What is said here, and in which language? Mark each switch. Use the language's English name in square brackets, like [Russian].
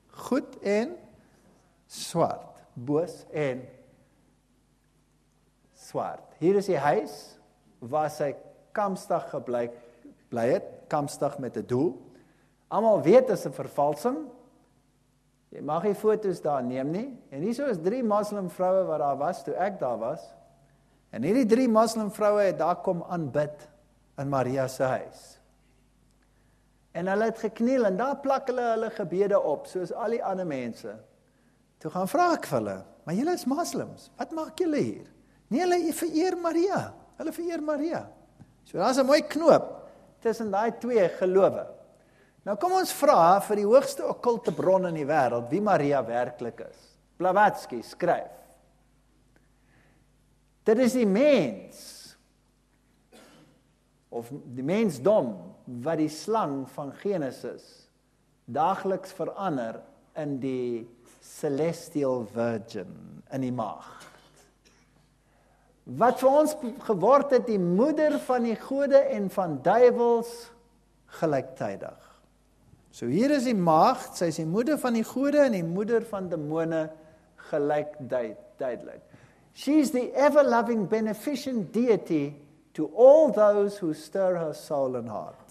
[Afrikaans] Goed en swart, boos en swart. Hier is die huis waar sy kamstig gebly het, kamstig met 'n doel. Almal weet dit is 'n vervalsing. Jy mag nie foto's daar neem nie. En hierso is drie moslim vroue wat daar was toe ek daar was. En hierdie drie moslim vroue het daar kom aanbid in Maria se huis. En hulle het gekniel en daar plak hulle hulle gebede op soos al die ander mense. Toe gaan vra ek vir hulle, maar julle is moslims, wat maak julle hier? Nee, hulle vereer Maria, hulle vereer Maria. So daar is 'n mooi knoop tussen daai twee gelowe. Nou kom ons vra vir die hoogste okkulte bron in die wêreld, wie Maria werklik is. Blavatsky skryf. Dit is die mens, of die mensdom, wat die slang van Genesis dagliks verander in die [English] celestial virgin [Afrikaans] in die maagd. Wat vir ons geword het die moeder van die gode en van duivels gelyktydig. So hier is die maagd, sy is die moeder van die gode en die moeder van demone gelyktydig. [English] She is the ever loving beneficent deity to all those who stir her soul and heart.